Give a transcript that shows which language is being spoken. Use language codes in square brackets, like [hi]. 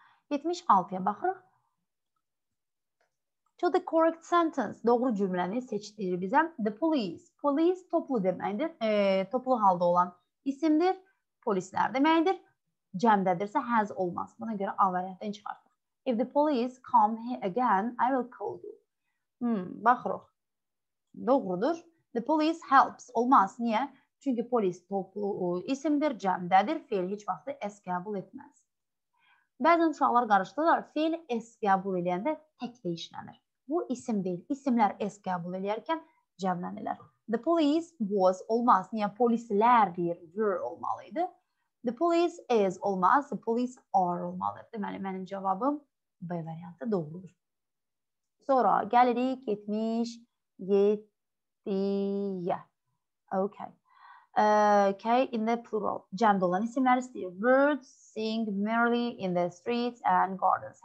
[az] 76-ya baxırıq. [en] To the correct sentence. [az] Doğru cümləni seçdirir bizə. [en] The police. [az] Police toplu deməkdir. Toplu halda olan isimdir. Polislər deməkdir. Cəmdədirsə has olmaz. Buna görə A variantdan çıxartdıq. [en] If the police come here again, I will call you. [az] Baxırıq. Doğrudur. [en] The police helps. [az] Olmaz. Niyə? Çünki polis toplu isimdir, cəmdədir, fiil heç vaxtı s qəbul etməz. Bəzən uşaqlar qarışdırırlar, fiil s qəbul eləyəndə tək değişlənir. Bu isim deyil, isimlər s qəbul eləyərkən cəmlənilər. [en] The police was [az] olmaz, niyə polislər deyir, were olmalıydı. [en] The police is [az] olmaz, [en] the police are [az] olmalıdır. Deməli, mənim cavabım B variantı doğrudur. Sonra gəlirik 77-yə. Okay. [en] Okay, in the plural. [az] Cəmdə olan isimlər istəyir. [en] Birds sing merrily in the streets and gardens.